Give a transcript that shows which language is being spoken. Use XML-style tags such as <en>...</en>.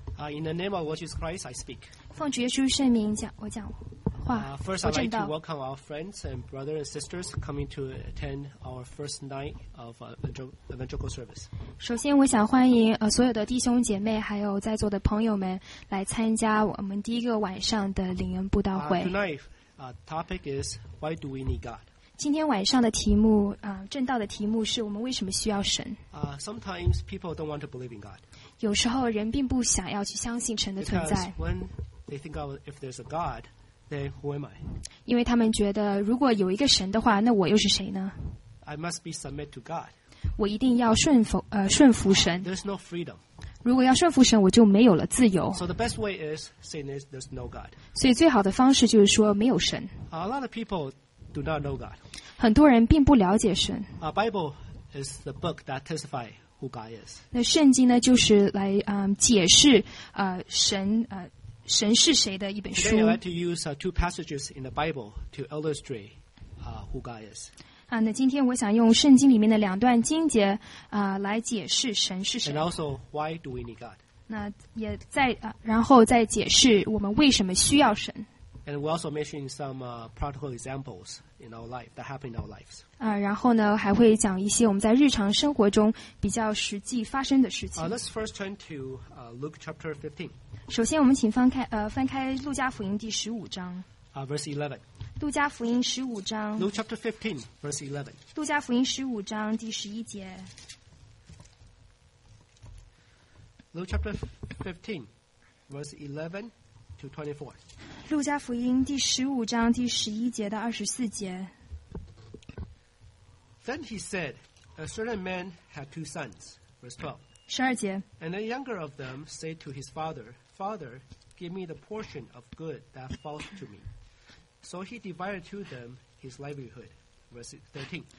<en>In the name of Jesus Christ, I speak.</en> <zh>奉主耶稣圣名讲，我讲话。</zh> <en>First, I'd like to welcome our friends and brothers and sisters coming to attend our first night of evangelical service.</en> <zh>首先，我想欢迎所有的弟兄姐妹还有在座的朋友们来参加我们第一个晚上的灵恩布道会。</zh> <en>Tonight, topic is why do we need God?</en> <zh>今天晚上的题目正道的题目是我们为什么需要神。</zh> <en>Sometimes people don't want to believe in God.</en> <zh>有时候人并不想要去相信神的存在。</zh> <en>Because when they think of if there's a God, then who am I?</en> <zh>因为他们觉得如果有一个神的话，那我又是谁呢</zh> <en>？I must be submit to God.</en> <zh>我一定要顺服神。</zh> <en>There's no freedom.</en> <zh>如果要顺服神，我就没有了自由。</zh> <en>So the best way is saying is there's no God.</en> <zh>所以最好的方式就是说没有神。</zh> <en>A lot of people do not know God.</en> <zh>很多人并不了解神。</zh> <en>A Bible is the book that testifies. Who God is.</en> <zh>那圣经呢就是来解释神是谁的一本书。</zh> <en>Today I'd like to use two passages in the Bible to illustrate who God is.</en> <zh>那今天我想用圣经里面的两段经节来解释神是谁。</zh> <en>And also, why do we need God?</en> <zh>那也在然后再解释我们为什么需要神。</zh> <en>And we also mention some practical examples in our life that happen in our lives.</en> <zh>然后呢，还会讲一些我们在日常生活中比较实际发生的事情。</zh> <en>Let's first turn to Luke chapter 15.</en> <zh>首先，我们请翻开路加福音第十五章。</zh> <en>Verse 11.</en> <zh>路加福音十五章。</zh> <en>Luke chapter 15, verse 11.</en> <zh>路加福音十五章第十一节。</zh> <en>Luke chapter 15, verse 11. 24.</en> <zh>路加福音第十五章第十一节到二十四节。</zh> <en>Then he said, a certain man had two sons. Verse 12.</en> <zh>十二节。</zh> <en>And the younger of them said to his father, Father, give me the portion of good that falls to me. So he divided to them his livelihood. Verse 13.</en>